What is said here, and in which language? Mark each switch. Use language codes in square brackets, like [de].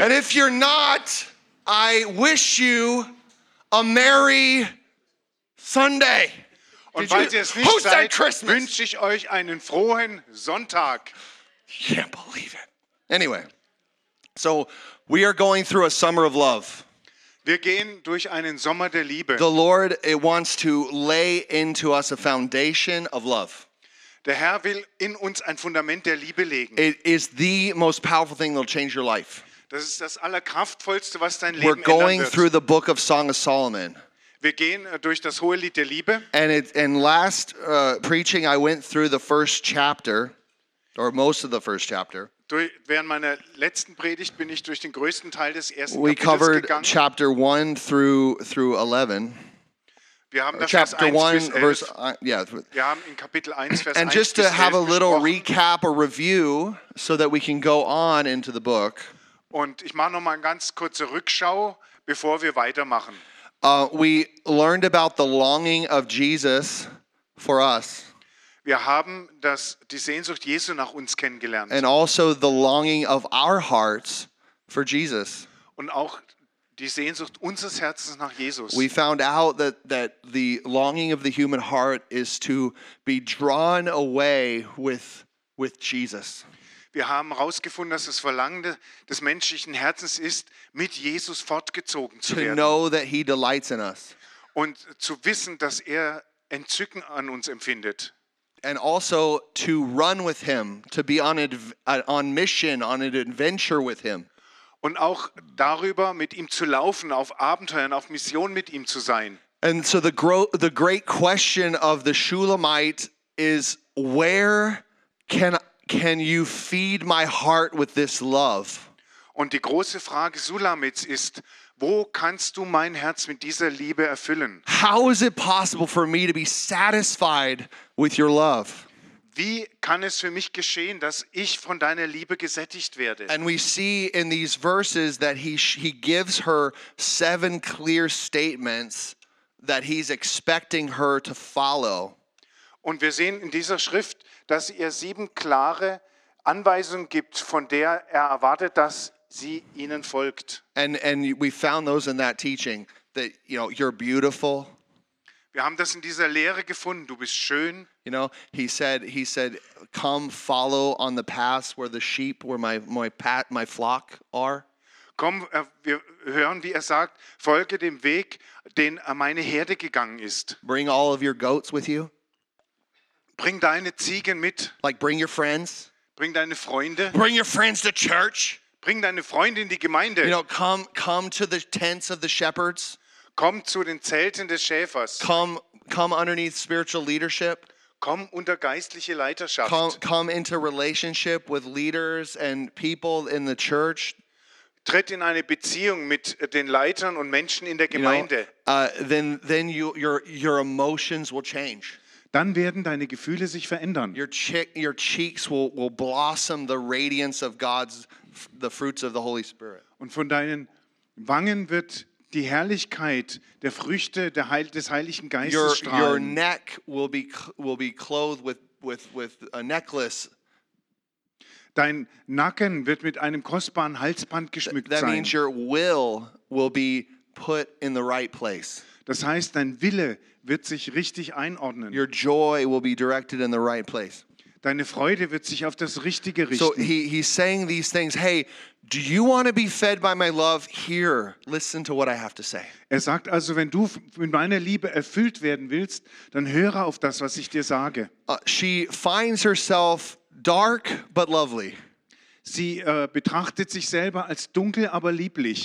[en] And if you're not, I wish you a merry Sunday. [de] Und falls ihr es nicht seid, wünsche ich euch einen frohen Sonntag. [en] I can't believe it. Anyway, so we are going through a summer of love. [de] Wir gehen durch einen Sommer der Liebe. [en] The Lord wants to lay into us a foundation of love. [de] Der Herr will in uns ein Fundament der Liebe legen. [en] It is the most powerful thing that will change your life. [de] Das ist das Allerkraftvollste, was dein Leben ändern wird. [en] We're going through the book of Song of Solomon. [de] Wir gehen durch das Hohelied der Liebe. [en] And last preaching, I went through the first chapter, or most of the first chapter. [de] Während meiner letzten Predigt bin ich durch den größten Teil des ersten Kapitels [en] We covered chapter 1 through 11. [de] Wir haben das [en] chapter 1 verse yeah. [de] Wir haben in Kapitel 1 Vers 1. [en] And just to have a little recap or review so that we can go on into the book. [de] Und ich mache noch mal eine ganz kurze Rückschau, bevor wir weitermachen. [en] We learned about the longing of Jesus for us. [de] Wir haben die Sehnsucht Jesu nach uns kennengelernt. [en] And also the longing of our hearts for Jesus. [de] Und auch die Sehnsucht unseres Herzens nach Jesus. [en] We found out that the longing of the human heart is to be drawn away with Jesus. [de] Wir haben herausgefunden, dass das Verlangen des menschlichen Herzens ist, mit Jesus fortgezogen zu werden. [en] To know that he delights in us. [de] Und zu wissen, dass er Entzücken an uns empfindet. [en] And also to run with him, to be on mission, on an adventure with him. [de] Und auch darüber, mit ihm zu laufen, auf Abenteuern, auf Mission mit ihm zu sein. [en] And so the great question of the Shulamite is, where can you feed my heart with this love? [de] Und die große Frage Shulamits ist, wo kannst du mein Herz mit dieser Liebe erfüllen? [en] How is it possible for me to be satisfied with your love? [de] Wie kann es für mich geschehen, dass ich von deiner Liebe gesättigt werde? [en] And we see in these verses that he gives her 7 clear statements that he's expecting her to follow. [de] Und wir sehen in dieser Schrift, dass er 7 klare Anweisungen gibt, von der er erwartet, dass sie ihnen folgt. [en] And we found those in that teaching that, you know, you're beautiful. [de] Wir haben das in dieser Lehre gefunden. Du bist schön. [en] You know, he said, come follow on the path where the sheep, where my flock are. [de] Komm, wir hören, wie er sagt, folge dem Weg, den meine Herde gegangen ist. [en] Bring all of your goats with you. [de] Bring deine Ziegen mit. [en] Like bring your friends. [de] Bring deine Freunde. [en] Bring your friends to church. [de] Bring deine Freunde in die Gemeinde. [en] You know, come to the tents of the shepherds. [de] Komm zu den Zelten des Schäfers. [en] Come underneath spiritual leadership. [de] Komm unter geistliche Leiterschaft. [en] Come into relationship with leaders and people in the church. [de] Tritt in eine Beziehung mit den Leitern und Menschen in der Gemeinde. [en] You know, then your emotions will change. [de] Dann werden deine Gefühle sich verändern. [en] Your cheeks will blossom the radiance of God's the fruits of the Holy Spirit. [de] Und von deinen Wangen wird die Herrlichkeit der Früchte des Heiligen Geistes strahlen. [en] Your neck will be clothed with a necklace. [de] Dein Nacken wird mit einem kostbaren Halsband geschmückt sein. [en] That means your will be put in the right place. [de] Das heißt, dein Wille wird sich richtig einordnen. [en] Your joy will be directed in the right place. [de] Deine Freude wird sich auf das Richtige richten. [en] So he's saying these things. Hey, do you want to be fed by my love? Here, listen to what I have to say. [de] Er sagt also, wenn du mit meiner Liebe erfüllt werden willst, dann höre auf das, was ich dir sage. [en] She finds herself dark but lovely. [de] Sie betrachtet sich selber als dunkel, aber lieblich.